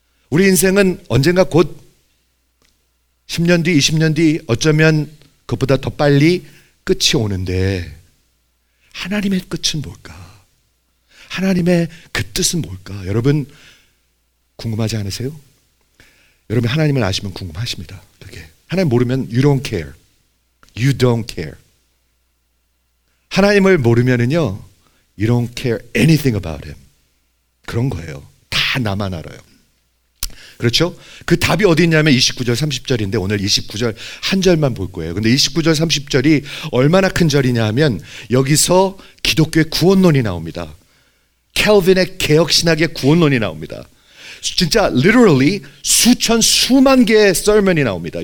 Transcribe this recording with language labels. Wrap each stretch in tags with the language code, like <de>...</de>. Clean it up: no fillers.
<ko>우리 인생은 언젠가 곧 10년 뒤, 20년 뒤 어쩌면 그것보다 더 빨리 끝이 오는데 하나님의 끝은 뭘까? 하나님의 그 뜻은 뭘까? 여러분 궁금하지 않으세요? 여러분 하나님을 아시면 궁금하십니다. 그게 하나님 모르면</ko> <en>you don't care. You don't care.</en> <ko>하나님을 모르면은요</ko> <en>you don't care anything about him.</en> <ko>그런 거예요. 다 나만 알아요. 그렇죠? 그 답이 어디 있냐면 29절 30절인데 오늘 29절 한 절만 볼 거예요. 근데 29절 30절이 얼마나 큰 절이냐 하면 여기서 기독교의 구원론이 나옵니다. 켈빈의 개혁신학의 구원론이 나옵니다. 진짜 literally 수천 수만 개의 썰면이 나옵니다.</ko>